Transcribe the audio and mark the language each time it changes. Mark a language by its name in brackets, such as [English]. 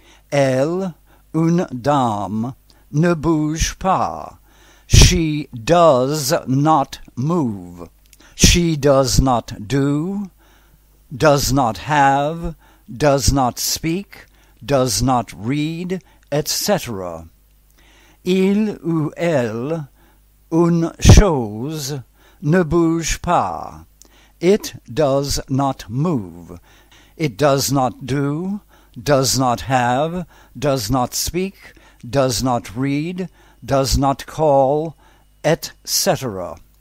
[French] Elle, une dame, ne bouge pas. [English] She does not move. She does not do, does not have, does not speak, does not read, etc. [French] Il ou elle, une chose, ne bouge pas. [English] It does not move. It does not do, does not have, does not speak, does not read, does not call, etc.